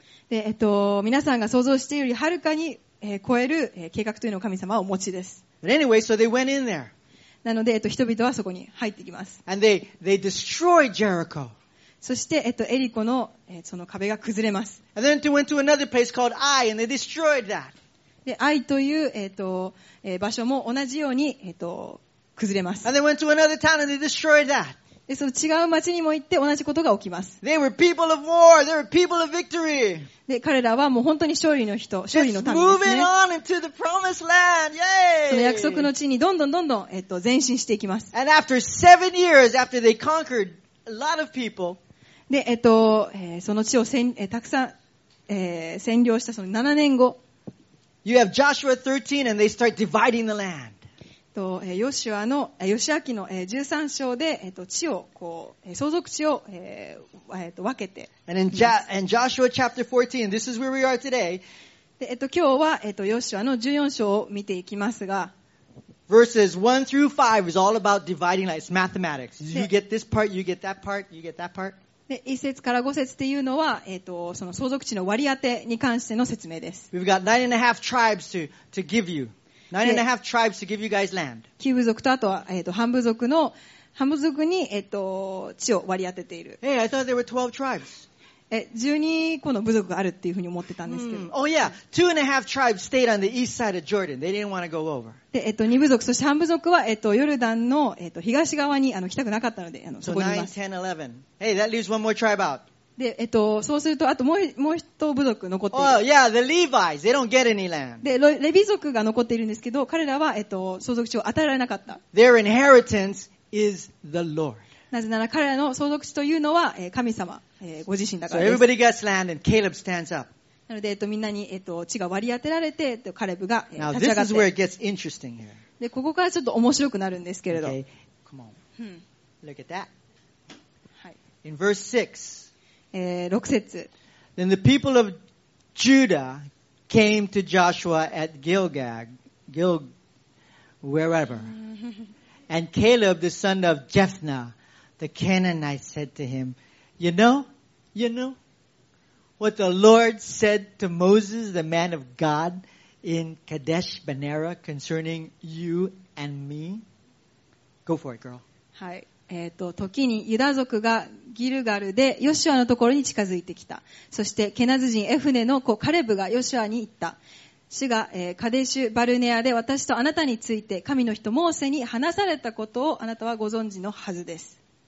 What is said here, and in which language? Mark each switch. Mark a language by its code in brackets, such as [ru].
[ja] で、皆さんが想像しているよりはるかに、超える、計画というのを神様はお持ちです。 [en] But anyway, so they went in there. [ja] なので、人々はそこに入ってきます。 [en] And they destroyed Jericho. [ja] そして、エリコの、その壁が崩れます。 [en] And then they went to another place called Ai, and they destroyed that. [ja] で、Aiという、場所も同じように、崩れます。 [en] And they went to another town and they destroyed that. [ja] で、その違う町にも行って同じことが起きます。 [en] They were people of war. They were people of victory. [ja] で、彼らはもう本当に勝利の人、勝利の民です [en] ね。Just moving on into the promised land. Yay! [ja] その約束の地にどんどん、前進していきます。 [en] And after 7 years, after they conquered a lot of people, [ja] で、その地をたくさん、占領したその7年後、 [en] You have Joshua 13 and they start dividing the land. [ja] と、ヨシア記の13章で、地を、こう、相続地を、分けて。 [en] And in Joshua chapter 14, this is where we are today. [ja] で、今日は、ヨシアの14章を見ていきますが。 [en] Verses 1 through 5 is all about dividing lines. It's mathematics. You get this part, you get that part, you get that part. [ja] で、1節から5節っていうのは、その相続地の割り当てに関しての説明です。 [en] We've got 9.5 tribes to give you. 9.5 tribes to give you guys land. [ja] 9部族とあとは、半部族に、地を割り当てている。 [en] Hey, I thought there were 12 tribes. [ja] 12個の部族があるっていうふうに思ってたんですけど。 [en] Oh yeah, 2.5 tribes stayed on the east side of Jordan. They didn't want to go over. [ja] で、2部族、そして半部族は、ヨルダンの、東側に、来たくなかったので、そこにいます。 [en] So 9, 10, 11. Hey, that leaves one more tribe out. [ja] で、そうすると、あともう一部族残っている。 [en] Oh, yeah, the Levites, they don't get any land. [ja] で、レビ族が残っているんですけど、彼らは、相続地を与えられなかった。 [en] Their inheritance is the Lord. [ja] なぜなら彼らの相続地というのは、神様、ご自身だからです。 [en] So everybody gets land and Caleb stands up. [ja] なので、みんなに、地が割り当てられて、カレブが、立ち上が [en] って。Now, this is where it gets interesting here. [ja] で、ここからちょっと面白くなるんですけれど。 [en] Okay, come on. Look at that. In verse 6. [ja] 6節。 [en] Then the people of Judah came to Joshua at Gilgal, wherever. And Caleb, the son of Jephunneh, the Canaanite, said to him, you know what the Lord said to Moses, the man of God, in Kadesh Barnea concerning you and me? Go for it, girl. [ja] はい。時にユダ族がギルガルでヨシュアのところに近づいてきた。そしてケナズ人エフネの子カレブがヨシュアに言った。主が、カデシュバルネアで私とあなたについて神の人モーセに話されたことをあなたはご存知のはずです。